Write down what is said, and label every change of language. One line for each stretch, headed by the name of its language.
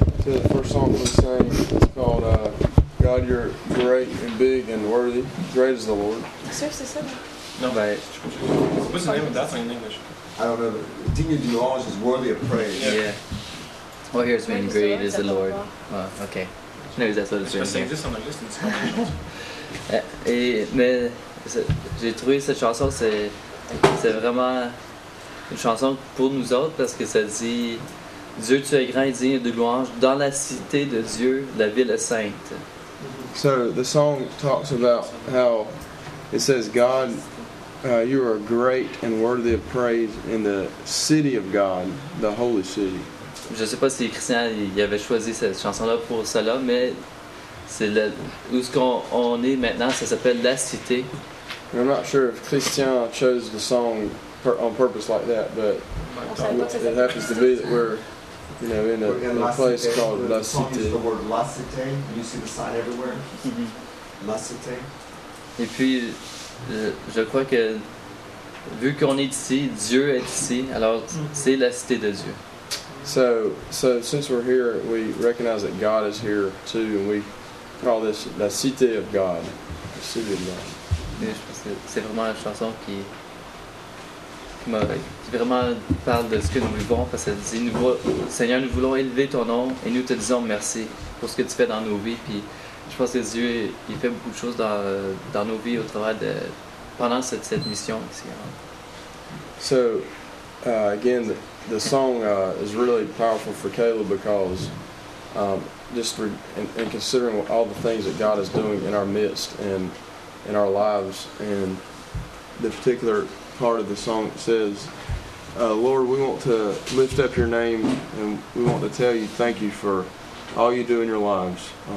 English: So the first song we sang is called God, you're great and big and worthy. Great is the Lord.
French: Sir, c'est ça.
English: No, but what's the name of that song in English? I don't know.
French: Digne de louange
English: is worthy of praise. Yeah. Well, here's me. Great is the Lord. Oh, okay. No, that's what it's written. Save this on the list.
French: Mais j'ai trouvé cette chanson, c'est vraiment une chanson pour nous autres parce que ça dit Dieu, tu es grand et digne de louange dans la cité de Dieu, la ville sainte.
English: So the song talks about how it says God. You are great and worthy of praise in the city of God, the holy city.
French: Je sais pas si Christian il avait choisi cette chanson là pour cela, mais c'est le où ce qu'on est maintenant, ça s'appelle la cité.
English: And I'm not sure if Christian chose the song on purpose like that, but it happens to be that we're, you know, in a place
French: cité,
English: called the
French: La Cité.
English: The word La Cité, you see the sign everywhere. La Cité.
French: Et puis je crois que vu qu'on est ici, Dieu est ici, alors c'est la cité de Dieu.
English: So since we're here, we recognize that God is here too, and we call this la cité of God, the city of God.
French: Et je pense que c'est vraiment la chanson qui m'a vraiment parle de ce que nous vivons, parce qu'elle dit, Seigneur, nous voulons élever ton nom et nous te disons merci pour ce que tu fais dans nos vies. Puis je pense que Dieu, il fait beaucoup de choses dans nos vies au travail de pendant cette mission ici.
English: So, again, the song is really powerful for Caleb because just in considering all the things that God is doing in our midst and in our lives, and the particular part of the song says, Lord, we want to lift up your name and we want to tell you thank you for all you do in your lives.